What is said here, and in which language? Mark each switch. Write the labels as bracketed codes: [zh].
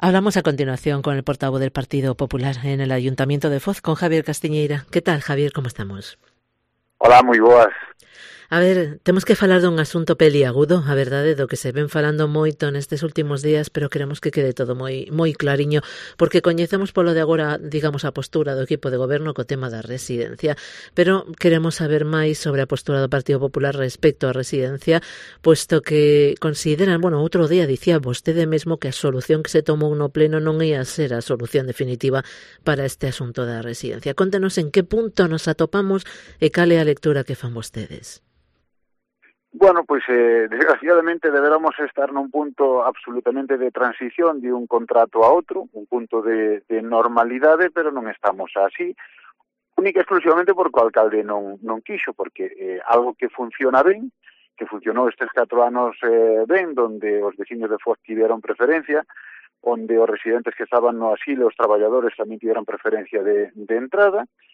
[es] Hablamos a continuación con el portavoz del Partido Popular en el Ayuntamiento de Foz, con Javier Castiñeira. ¿Qué tal, Javier? ¿Cómo estamos? [gl] Hola, moi boas. A ver, temos que falar dun asunto peliagudo, a verdade, do que se ven falando moito nestes últimos días, pero queremos que quede todo moi moi clariño, porque coñecemos polo de agora, digamos, a postura do equipo de goberno co tema da residencia, pero queremos saber máis sobre a postura do Partido Popular respecto á residencia, puesto que consideran, bueno, outro día dicía vostede mesmo que a solución que se tomou no pleno non ia ser a solución definitiva para este asunto da residencia. Contenos en que punto nos atopamos e cal é a lectura que fan vostedes. [es] Bueno, pues desgraciadamente deberíamos estar en un punto absolutamente de transición de un contrato a otro, un punto de normalidad, pero no estamos así, única y exclusivamente porque el alcalde no quiso, porque algo que funciona bien, que funcionó estos 4 años bien, donde los vecinos de Foz tuvieron preferencia, donde los residentes que estaban no asilo, los trabajadores también tuvieron preferencia de entrada.